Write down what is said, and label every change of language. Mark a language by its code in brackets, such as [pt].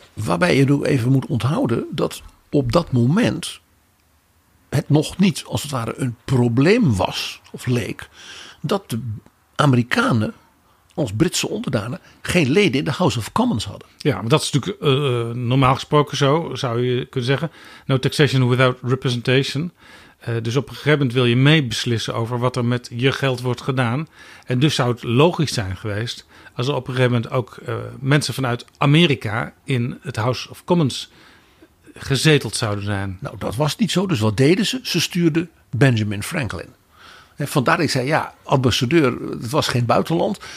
[nl] Waarbij je nu even moet onthouden dat op dat moment het nog niet als het ware een probleem was of leek dat de Amerikanen als Britse onderdanen geen leden in de House of Commons hadden. Ja, maar dat is natuurlijk normaal gesproken zo, zou je kunnen zeggen. [en] No taxation without representation. [nl] Dus op een gegeven moment wil je meebeslissen over wat er met je geld wordt gedaan. En dus zou het logisch zijn geweest als er op een gegeven moment ook mensen vanuit Amerika in het House of Commons gezeteld zouden zijn. Nou, dat was niet zo. Dus wat deden ze? Ze stuurden Benjamin Franklin. En vandaar dat ik zei, ja, ambassadeur, het was geen buitenland.